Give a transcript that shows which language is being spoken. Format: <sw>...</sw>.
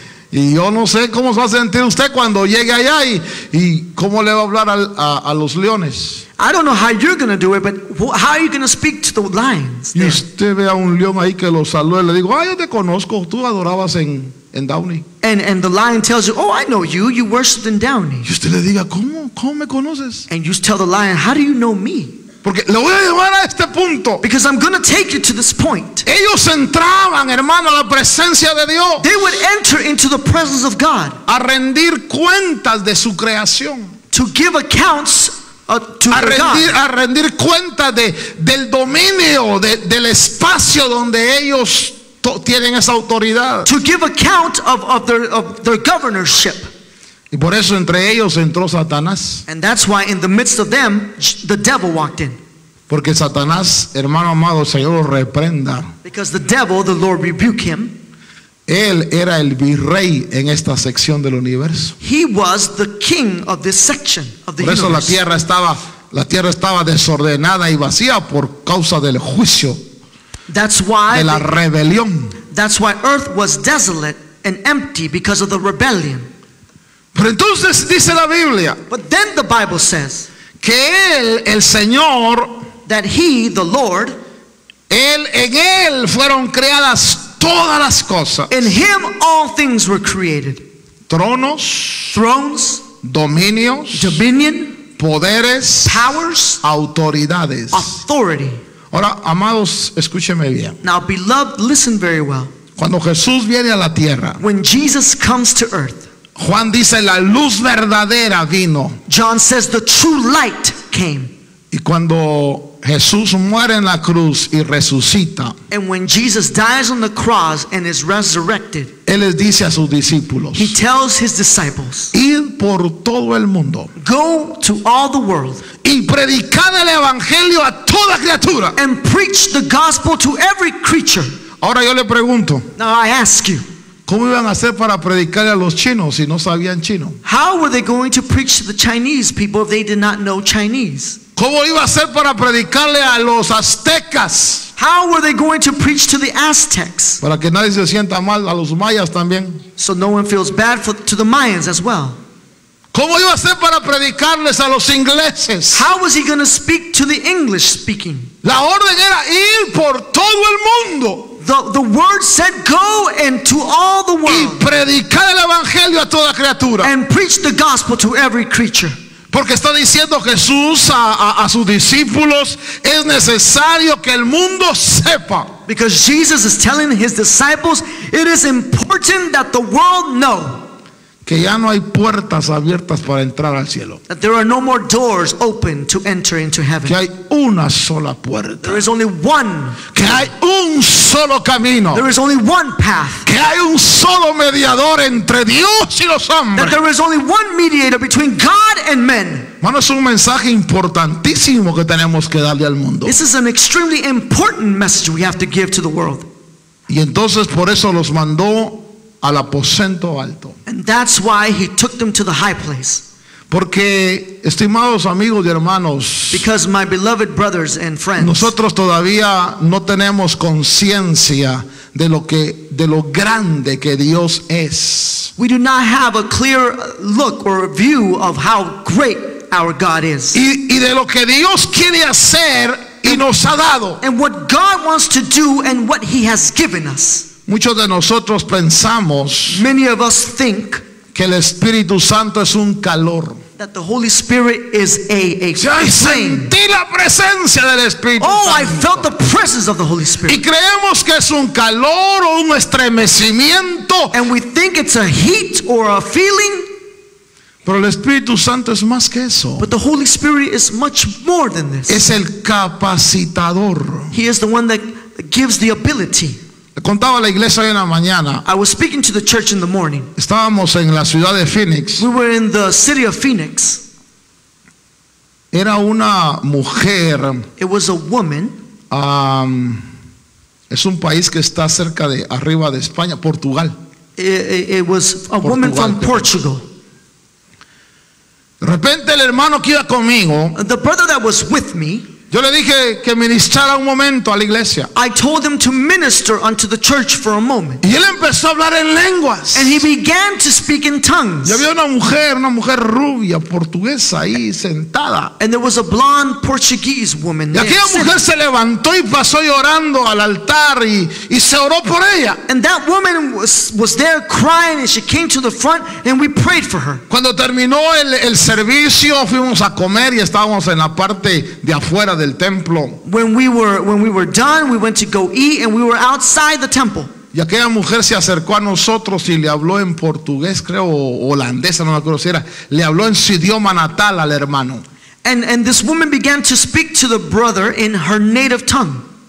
<es>Y yo no sé cómo se va a sentir usted cuando llegue allá y cómo le va a hablar a los leones.</es> <en>I don't know how you're going to do it, but how are you going to speak to the lions?</en> <es>Y usted ve a un león ahí que lo saluda y le digo, ay, yo te conozco, tú adorabas en Downey.</es> <en>And the lion tells you, oh, I know you, you worshiped in Downey.</en> <es>Y usted le diga, ¿cómo me conoces?</es> <en>And you tell the lion, how do you know me?</en> <es>Porque lo voy a llevar a este punto.</es> <en>Because I'm going to take you to this point.</en> <es>Ellos entraban, hermano, a la presencia de Dios.</es> <en>They would enter into the presence of God.</en> <es>A rendir cuentas de su creación.</es> <en>To give accounts to</en> <es>a rendir,</es> <en>God.</en> <es>A rendir cuentas del dominio, del espacio donde ellos tienen esa autoridad.</es> <en>To give account of their governorship.</en> <es>Y por eso entre ellos entró Satanás.</es> <en>And that's why in the midst of them, the devil walked in.</en> <es>Porque Satanás, hermano amado, el Señor lo reprenda.</es> <en>Because the devil, the Lord rebuke him.</en> <es>Él era el virrey en esta sección del universo.</es> <en>He was the king of this section of the universe.</en> <es>Por eso la tierra estaba desordenada y vacía por causa del juicio.</es> <en>That's why</en> <es>de la rebelión.</es> <en>That's why earth was desolate and empty because of the rebellion.</en> <es>Pero entonces dice la Biblia.</es> <en>But then the Bible says</en> <es>que él, el Señor,</es> <en>that he, the Lord,</en> <es>él, en él fueron creadas todas las cosas.</es> <en>In him all things were created.</en> <es>Tronos,</es> <en>thrones,</en> <es>dominios,</es> <en>dominion,</en> <es>poderes,</es> <en>powers,</en> <es>autoridades,</es> <en>authority.</en> <es>Ahora, amados, escúcheme bien.</es> <en>Now, beloved, listen very well.</en> <es>Cuando Jesús viene a la tierra,</es> <en>when Jesus comes to earth,</en> <es>Juan dice, la luz verdadera vino.</es> <en>John says, the true light came.</en> <es>Y cuando Jesús muere en la cruz y resucita,</es> <en>and when Jesus dies on the cross and is resurrected,</en> <es>él les dice a sus discípulos,</es> <en>he tells his disciples,</en> <es>ir por todo el mundo,</es> <en>go to all the world,</en> <es>y predicar el evangelio a toda criatura,</es> <en>and preach the gospel to every creature.</en> <es>Ahora yo le pregunto,</es> <en>now I ask you,</en> <es>¿cómo iban a hacer para predicarle a los chinos si no sabían chino?</es> <en>How were they going to preach to the Chinese people if they did not know Chinese?</en> <es>¿Cómo iba a ser para predicarle a los aztecas?</es> <en>How were they going to preach to the Aztecs?</en> <es>Para que nadie se sienta mal, a los mayas también.</es> <en>So no one feels bad to the Mayans as well.</en> <es>¿Cómo iba a ser para predicarles a los ingleses?</es> <en>How was he going to speak to the English speaking?</en> <es>La orden era ir por todo el mundo.</es> <en>The word said go into all the world.</en> <es>Y predicar el evangelio a toda criatura.</es> <en>And preach the gospel to every creature.</en> <es>Porque está diciendo Jesús a sus discípulos, es necesario que el mundo sepa.</es> <en>Because Jesus is telling his disciples, it is important that the world know.</en> <es>Que ya no hay puertas abiertas para entrar al cielo.</es> <en>That there are no more doors open to enter into heaven.</en> <es>Que hay una sola puerta.</es> <en>There is only one.</en> <es>Que hay un solo camino.</es> <en>There is only one path.</en> <es>Que hay un solo mediador entre Dios y los hombres.</es> <en>That there is only one mediator between God and men.</en> <es>Bueno, es un mensaje importantísimo que tenemos que darle al mundo.</es> <en>This is an extremely important message we have to give to the world.</en> <es>Y entonces por eso los mandó al aposento alto.</es> <en>And that's why he took them to the high place.</en> <es>Porque, estimados amigos y hermanos,</es> <en>because my beloved brothers and friends,</en> <es>nosotros todavía no tenemos conciencia de lo que, de lo grande que Dios es.</es> <en>We do not have a clear look or a view of how great our God is.</en> <es>Y de lo que Dios quiere hacer y nos ha dado.</es> <en>And what God wants to do and what he has given us.</en> <es>Muchos de nosotros pensamos,</es> <en>many of us think,</en> <es>que el Espíritu Santo es un calor.</es> <en>That the Holy Spirit is a flame.</en> <es>Sentí la presencia del Espíritu Santo. Oh,</es> <en>I felt the presence of the Holy Spirit.</en> <es>Y creemos que es un calor o un estremecimiento.</es> <en>And we think it's a heat or a feeling.</en> <es>Pero el Espíritu Santo es más que eso.</es> <en>But the Holy Spirit is much more than this.</en> <es>Es el capacitador.</es> <en>He is the one that gives the ability.</en> <es>Contaba la iglesia hoy en la mañana.</es> <en>I was speaking to the church in the morning.</en> <es>Estábamos en la ciudad de Phoenix.</es> <en>We were in the city of Phoenix.</en> <es>Era una mujer.</es> <en>It was a woman.</en> <es>Es un país que está cerca de arriba de España, Portugal.</es> <en>It was a Portugal, woman from Portugal.</en> <es>De repente el hermano que iba conmigo,</es> <en>the brother that was with me,</en> <es>yo le dije que ministrara un momento a la iglesia.</es> <en>I told him to minister unto the church for a moment.</en> <es>Y él empezó a hablar en lenguas.</es> <en>And he began to speak in tongues.</en> <es>Y había una mujer rubia portuguesa ahí sentada.</es> <en>And there was a blonde Portuguese woman.</en> <es>Y aquella mujer se levantó y pasó llorando al altar y se oró por ella.</es> <en>And that woman was there crying and she came to the front and we prayed for her.</en> <es>Cuando terminó el servicio fuimos a comer y estábamos en la parte de afuera del templo.</es> <en>When we were done, we went to go eat and we were outside the temple.</en> <es>Y aquella mujer se acercó a nosotros y le habló en portugués, creo, o holandesa, no me acuerdo si era. Le habló en su idioma natal al hermano.</es> <en>And this woman began to speak to the brother in her native tongue.</en>